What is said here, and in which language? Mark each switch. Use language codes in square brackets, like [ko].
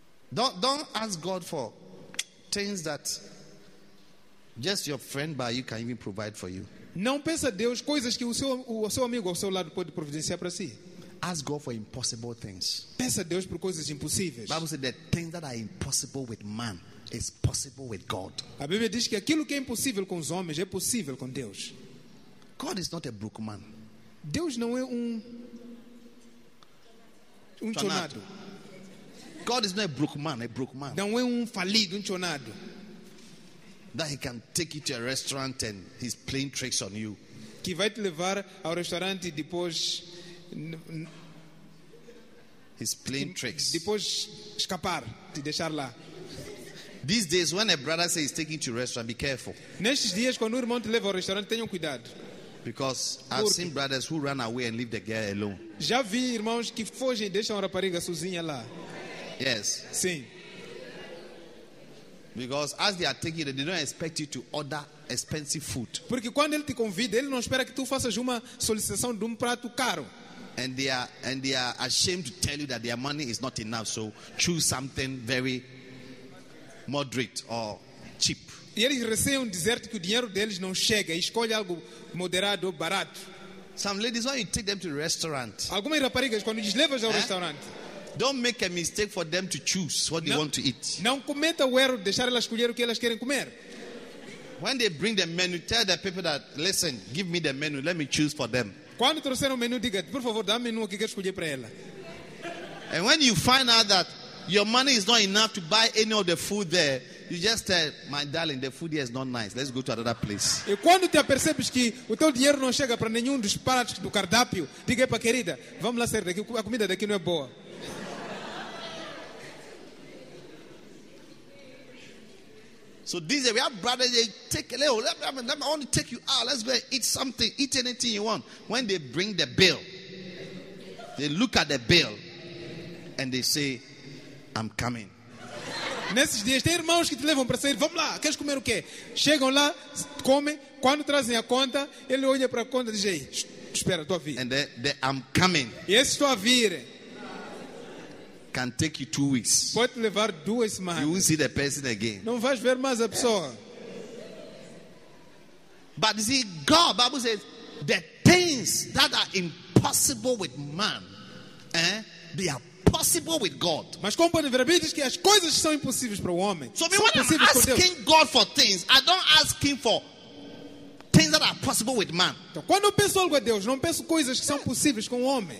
[en] Don't ask God for things that just your friend by you can even provide for you. [pt] Não pensa a Deus coisas que o seu amigo ao seu lado pode providenciar para si. [en] Ask God for impossible things. [pt] Pensa a Deus por coisas impossíveis. [en] Bible says the things that are impossible with man is possible with God. [pt] A Bíblia diz que aquilo que é impossível com os homens é possível com Deus. [en] God is not a broke man. [pt] Deus não é um chonado. [en] God is not a broke man, a broke man. [pt] Não é falido, chonado. [en] That he can take you to a restaurant and he's playing tricks on you. [pt] Que vai te levar ao restaurante e depois [en] he's playing tricks. [pt] Depois escapar, te deixar lá. [en] These days, when a brother says he's taking you to a restaurant, be careful. [pt] Nestes dias, quando o irmão te leva ao restaurante, tenham cuidado. [en] Because I've seen brothers who run away and leave the girl alone. [pt] Já vi irmãos que fogem e deixam a rapariga sozinha lá. [en] Yes. [pt] Sim. [en] Because as they are taking it, they don't expect you to order expensive food. [pt] Porque quando ele te convida, ele não espera que tu faças uma solicitação de prato caro. [en] And they are ashamed to tell you that their money is not enough, so choose something very moderate or cheap. [pt] E eles receiam dizer-te que o dinheiro deles não chega, e escolhe algo moderado ou barato. [en] Some ladies, when you take them to the restaurant. [pt] Algumas raparigas quando lhes levas ao restaurante. [en] Don't make a mistake for them to choose what they want to eat. [pt] Não cometa o erro de deixar elas escolher o que elas querem comer. [en] When they bring the menu, tell the people that, listen, give me the menu, let me choose for them. [pt] Quando trouxeram o menu, diga, por favor, dá-me o menu que quer escolher para ela. [en] And when you find out that your money is not enough to buy any of the food there, you just tell, my darling, the food here is not nice, let's go to another place. [pt] E quando te apercebes que o teu dinheiro não chega para nenhum dos pratos do cardápio, diga para a querida, vamos lá sair daqui, a comida daqui não é boa. [en] So these are our brothers, they take a little, I want to take you out, let's go and eat something, eat anything you want. When they bring the bill, they look at the bill and they say, I'm coming. [pt] Nesses dias, tem irmãos que te levam para sair, vamos lá, queres comer o quê? Chegam lá, comem, quando trazem a conta, ele olha para a conta e diz, ei, espera, estou a vir. [en] And then, I'm coming. [pt] E esse estou a vir. [en] Can take you 2 weeks. [pt] Pode levar 2 semanas. [en] You will see the person again. [pt] Não vais ver mais a pessoa. [en] But see, God, Bible says, the things that are impossible with man, they are possible with God. [pt] Mas como podem ver, diz que as coisas são impossíveis para o homem. [en] So when I'm asking God for things, I don't ask Him for things that are possible with man. [pt] Então, quando eu peço algo a Deus, não peço coisas que são possíveis com o homem.